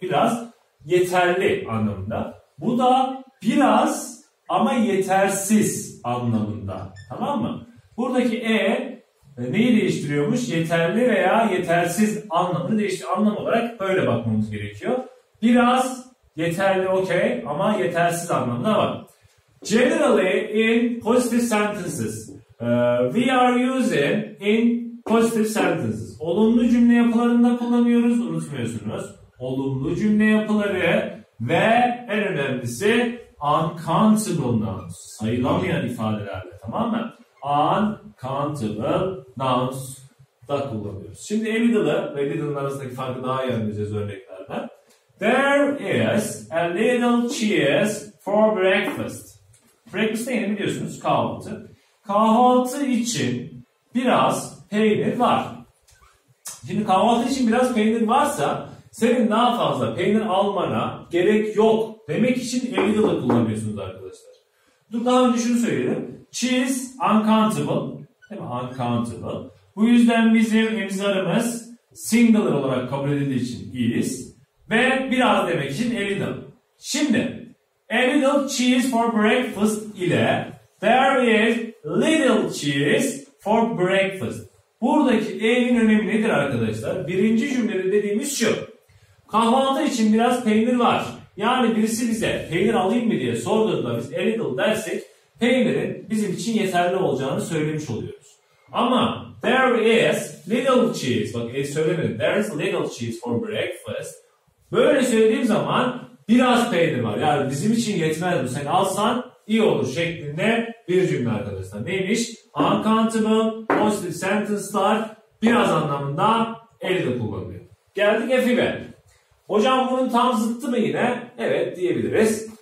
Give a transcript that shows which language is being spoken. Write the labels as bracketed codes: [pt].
[tr] Biraz yeterli anlamında. Bu da biraz ama yetersiz anlamında. Tamam mı? Buradaki E neyi değiştiriyormuş? Yeterli veya yetersiz anlamını değiştiriyor. Anlam olarak böyle bakmamız gerekiyor. Biraz yeterli okey ama yetersiz anlamında var. [en] Generally in positive sentences. We are using in positive sentences. [tr] Olumlu cümle yapılarında kullanıyoruz, unutmuyorsunuz. Olumlu cümle yapıları ve en önemlisi uncountable nouns. Sayılamayan ifadelerde, tamam mı? Uncountable nouns da kullanıyoruz. Şimdi a little ve little'ın arasındaki farkı daha iyi anlayacağız örneklerden. [en] There is a little cheese for breakfast. [tr] Breakfast ne biliyorsunuz? Kahvaltı. Kahvaltı için biraz peynir var. Şimdi kahvaltı için biraz peynir varsa senin daha fazla peynir almana gerek yok demek için a little'ı kullanıyorsunuz arkadaşlar. Dur, daha önce şunu söyleyelim. [en] Cheese uncountable. [tr] Değil mi? Uncountable. Bu yüzden bizim emzarımız singular olarak kabul edildiği için is. Ve biraz demek için a little. Şimdi [en] a little cheese for breakfast [tr] ile [en] there is little cheese for breakfast. [tr] Buradaki e'nin önemi nedir arkadaşlar? Birinci cümlede dediğimiz şu. Kahvaltı için biraz peynir var. Yani birisi bize peynir alayım mı diye sorduğunda biz a little dersek peynirin bizim için yeterli olacağını söylemiş oluyoruz. [en] Ama there is little cheese. [tr] Bak söylemedim. [en] There is little cheese for breakfast. [tr] Böyle söylediğim zaman biraz peynir var. Yani bizim için yetmez bu. Sen alsan iyi olur şeklinde bir cümle arkadaşlar. Neymiş? Uncountable, positive sentence'lar biraz anlamında elde kullanılıyor. Geldik F'ye. Hocam bunun tam zıttı mı yine? Evet diyebiliriz.